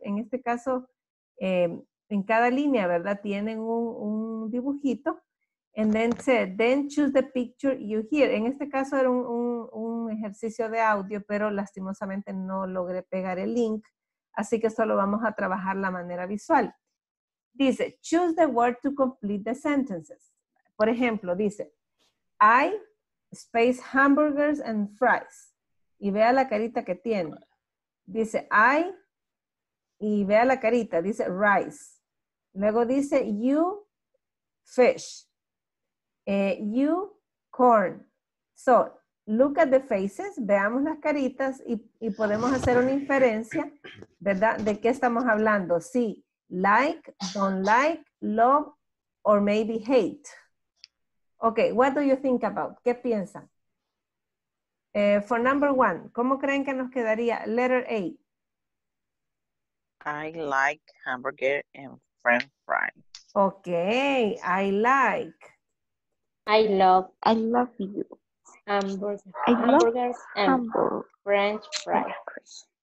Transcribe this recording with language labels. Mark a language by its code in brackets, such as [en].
[es] En este caso, en cada línea, ¿verdad? Tienen un dibujito. [en] And then say, then choose the picture you hear. [es] En este caso era un ejercicio de audio, pero lastimosamente no logré pegar el link. Así que solo vamos a trabajar la manera visual. [en] Dice, choose the word to complete the sentences. [es] Por ejemplo, dice, [en] I space hamburgers and fries. [es] Y vea la carita que tiene. Dice, I, y vea la carita, dice rice. [en] Luego dice, you fish. You corn. So, look at the faces, [es] veamos las caritas y podemos hacer una inferencia, ¿verdad? ¿De qué estamos hablando? [en] Sí, like, don't like, love, or maybe hate. Okay, what do you think about? [es] ¿Qué piensan? [en] For number one, [es] ¿cómo creen que nos quedaría [en] letter A? I like hamburger and french fries. Okay, I like. I love you. Hamburgers and French fries.